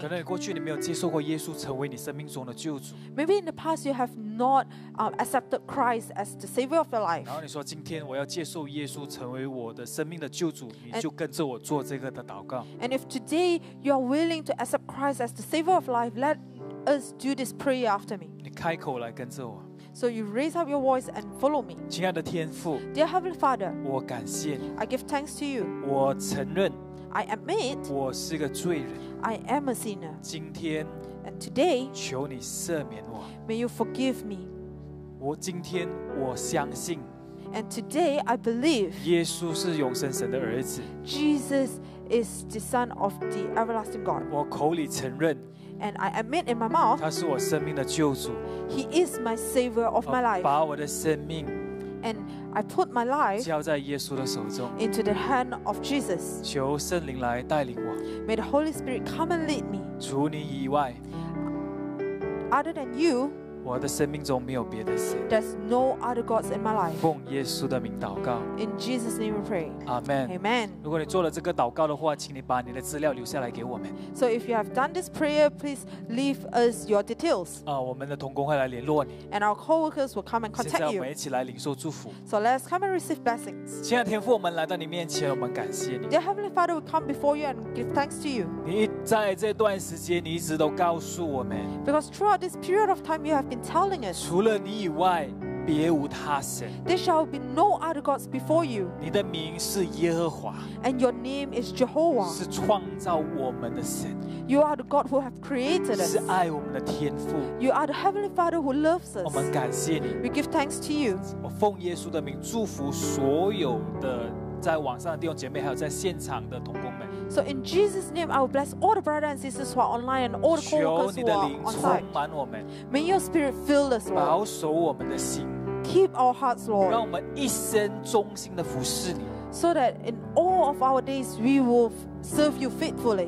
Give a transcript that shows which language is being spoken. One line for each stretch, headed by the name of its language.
Chinese: 可能过去你没有接受过耶稣成为你生命中的救主。
English: Maybe in the past you have not accepted Christ as the savior of your life。
Chinese: 然后你说今天我要接受耶稣成为我的生命的救主，你就跟着我做这个的祷告。
English: And if today you are willing to accept Christ as the savior of life, let us do this prayer after me。
Chinese: 你开口来跟着我。
English: So you raise up your voice and follow me。
Chinese: 亲爱的天父
English: ，Dear Heavenly Father，
Chinese: 我感谢你。
English: I give thanks to you。
Chinese: 我承认。
English: I admit，
Chinese: 我是个罪人。
English: I am a sinner。
Chinese: 今天
English: ，and today，
Chinese: 求你赦免我。
English: May you forgive me。
Chinese: 我今天我相信
English: ，and today I believe，
Chinese: 耶稣是永生神的儿子。
English: Jesus is the Son of the everlasting God。
Chinese: 我口里承认
English: ，and I admit in my mouth，
Chinese: 他是我生命的救主。
English: He is my savior of my life。
Chinese: 把我的生命。
English: And I put my life
Chinese: 交在耶稣的手中
English: into the hand of Jesus.
Chinese: 求圣灵来带领我
English: May the Holy Spirit come and lead me.
Chinese: 除你以外
English: other than you,
Chinese: 我的生命中没有别的神
English: there's no other gods in my life.
Chinese: 奉耶稣的名祷告
English: in Jesus' name we pray. Amen. Amen.
Chinese: 如果你做了这个祷告的话，请你把你的资料留下来给我们
English: So if you have done this prayer, please leave us your details.
Chinese: 我们的同工会来联络你
English: And our co-workers will come and contact you.
Chinese: 现在我们一起来领受祝福
English: So let's come and receive blessings.
Chinese: 亲爱的天父，我们来到你面前，我们感谢你
English: Dear Heavenly Father, we come before you and give thanks to you.
Chinese: 你在这段时间，你一直都告诉我们
English: Because throughout this period of time, you have been telling us.
Chinese: 除了你以外。别无他神
English: There shall be no other gods before you.
Chinese: 你的名是耶和华
English: And your name is Jehovah.
Chinese: 是创造我们的神
English: You are the God who have created us.
Chinese: 是爱我们的天父
English: You are the Heavenly Father who loves us.
Chinese: 我们感谢你
English: We give thanks to you.
Chinese: 我奉耶稣的名祝福所有的在网上的弟兄姐妹还有在现场的同工们
English: So in Jesus name I will bless all the brothers and sisters who are online and all the co-workers who are online
Chinese: 求你的灵充满我们
English: May your spirit fill us
Chinese: 保守我们的心
English: Keep our hearts Lord
Chinese: 让我们一生忠心的服侍你
English: So that in all of our days we will serve you faithfully